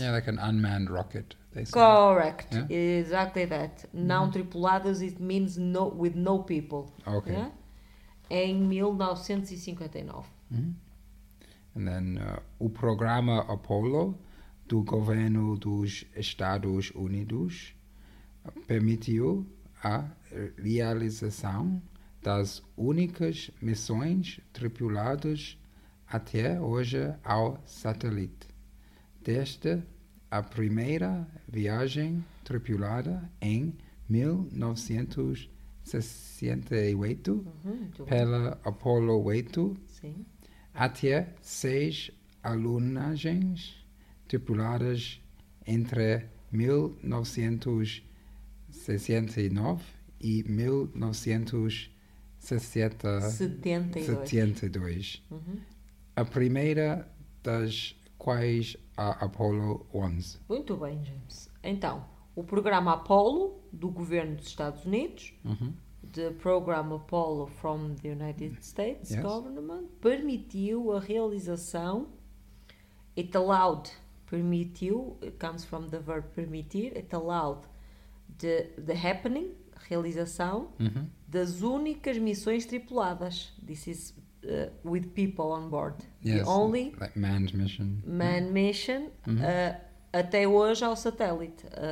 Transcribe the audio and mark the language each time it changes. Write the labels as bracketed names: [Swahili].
[English] Yeah, like an unmanned rocket. Correct. Yeah? Exactly that. Mm-hmm. [Portuguese] Não tripuladas, [English] it means no, with no people. Okay. [Portuguese] Yeah? Em 1959. Mm-hmm. [English] And then [Portuguese] o programa Apollo do governo dos Estados Unidos permitiu a realização das únicas missões tripuladas até hoje ao satélite. Desde a primeira viagem tripulada em 1968 pela Apollo 8. Sim. Até 6 alunagens tripuladas entre 1969 e 1972. Uhum. A primeira das quais a Apollo 11. Muito bem, James. Então, o programa Apollo do governo dos Estados Unidos... Uhum. [English] The program Apollo from the United States yes. government [Portuguese] permitiu a realização. [English] It allowed, permitiu, it comes from the verb permitir. It allowed the happening, realização, [Portuguese] das únicas missões tripuladas. [English] This is with people on board. Yes, the only like manned mission. Manned mission [Portuguese] até hoje ao satélite.